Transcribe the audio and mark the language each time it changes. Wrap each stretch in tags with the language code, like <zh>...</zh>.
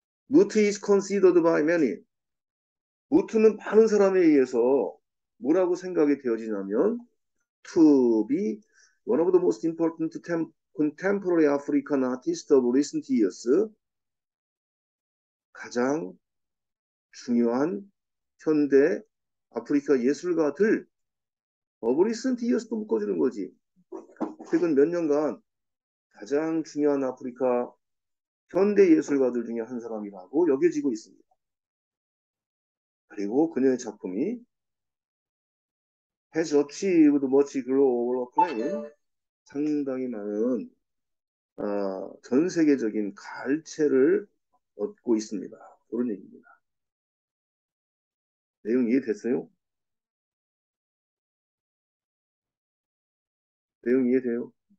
<en>Mutu is considered by many.</en> <ko>Mutu는 많은 사람에 의해서 뭐라고 생각이 되어지냐면</ko> <en>to be one of the most important temples Contemporary African artist of recent years.</en> <ko>가장 중요한 현대 아프리카 예술가들.</ko> <en>Of recent years</en> <ko>도 묶어주는 거지. 최근 몇 년간 가장 중요한 아프리카 현대 예술가들 중에 한 사람이라고 여겨지고 있습니다. 그리고 그녀의 작품이</ko> <en>has achieved much global acclaim.</en> <ko>상당히 많은 전 세계적인 갈채를 얻고 있습니다. 그런 얘기입니다. 내용 이해됐어요? 내용 이해돼요?</ko>